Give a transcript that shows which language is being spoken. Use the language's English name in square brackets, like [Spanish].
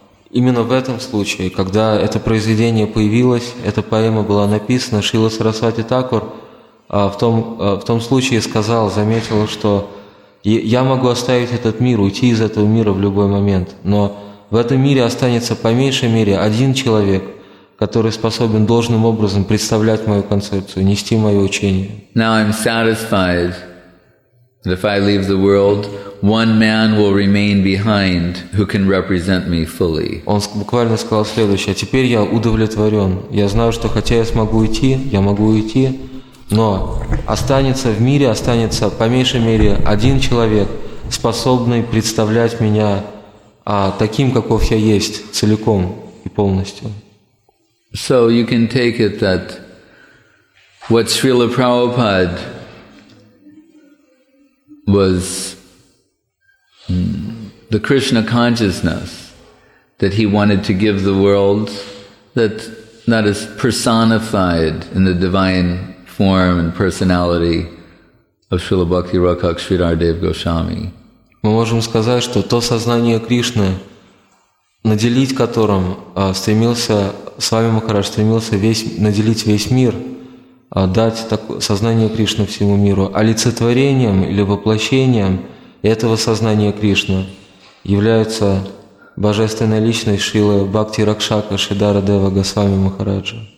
[Russian] Именно в этом случае, когда это произведение появилось, эта поэма была написана, Шрила Сарасвати Такур в том случае сказал, заметил, что я могу оставить этот мир, уйти из этого мира в любой момент, но в этом мире останется по меньшей мере один человек, который способен должным образом представлять мою концепцию, нести мое учение. [English] Now I'm satisfied that if I leave the world, one man will remain behind who can represent me fully. [Russian] Он буквально сказал следующее: теперь я удовлетворен. Я знаю, что хотя я могу уйти, но останется в мире, останется по меньшей мере один человек, способный представлять меня таким, каков я есть, целиком и полностью. [English] So you can take it that what Srila Prabhupada was the Krishna consciousness that he wanted to give the world, that that is personified in the divine form and personality of Srila Bhakti Rakak Sridhar Dev Goswami. [Russian] Мы можем сказать, что то сознание Кришны, наделить которым стремился с вами Махарадж, стремился весь, наделить весь мир, дать так, сознание Кришны всему миру, олицетворением или воплощением этого сознания Кришны является Божественная Личность Шрилы Бхакти Ракшака Шридара Дева Госвами Махараджа.